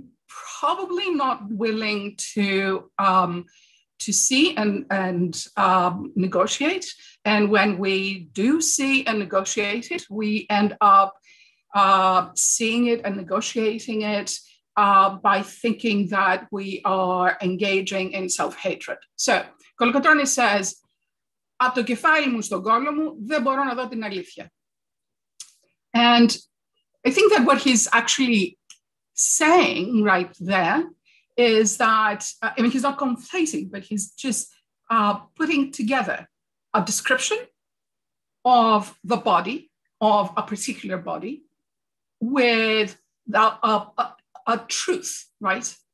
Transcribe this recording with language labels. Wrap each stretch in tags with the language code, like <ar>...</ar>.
<en>probably not willing to see and negotiate. And when we do see and negotiate it, we end up seeing it and negotiating it by thinking that we are engaging in self-hatred. So Kolokotronis says,</en> <el>"Από το κεφάλι μου στον κόλο μου, δεν μπορώ να δω την αλήθεια."</el> <en>And I think that what he's actually saying right there is that, I mean, he's not conflating, but he's just putting together a description of the body, of a particular body, with a truth, right?</en>